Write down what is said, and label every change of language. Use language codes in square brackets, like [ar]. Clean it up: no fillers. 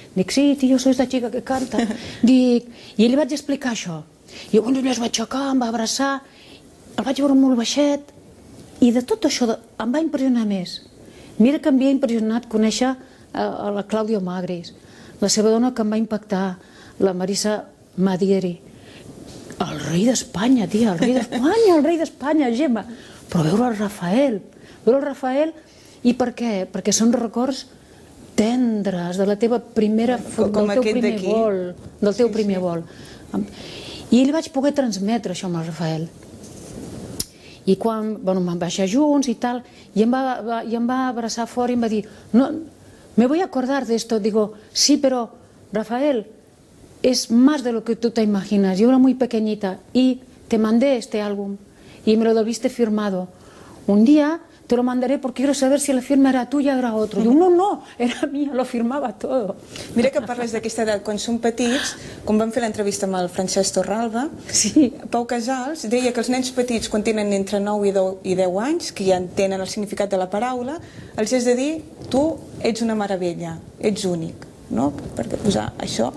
[ca] Dic, sí, tio, soc la xica que canta. I li vaig explicar això. I llavors ell es va aixecar, em va abraçar, el vaig veure molt baixet, i de tot això em va impressionar més. Mira que em havia impressionat conèixer la Claudio Magris, la seva dona que em va impactar, la Marisa Madieri. El rei d'Espanya, tia, el rei d'Espanya, el rei d'Espanya, Gemma. Però veure el Rafael, veure el Rafael, i per què? Perquè són records tendres de la teva primera, com del teu primer vol, del teu primer vol. I ell vaig poder transmetre això amb el Rafael. I quan, bueno, vam baixar junts i tal, i em va abraçar fort i em va dir: [es] "No, me voy a acordar de esto." Digo: "Sí, pero Rafael, es más de lo que tú te imaginas. Yo era muy pequeñita y te mandé este álbum y me lo debiste firmado. Un día te lo mandaré porque quiero saber si la firma era tuya o era otro." Diu: "No, no, era mía, lo firmaba todo." [ca] Mira que parles d'aquesta edat, quan són petits, com vam fer l'entrevista amb el Francesc Torralba, sí. Pau Casals deia que els nens petits, quan tenen entre 9 i 10 anys, que ja entenen el significat de la paraula, els has de dir: "Tu ets una meravella, ets únic." No? Perquè posar això...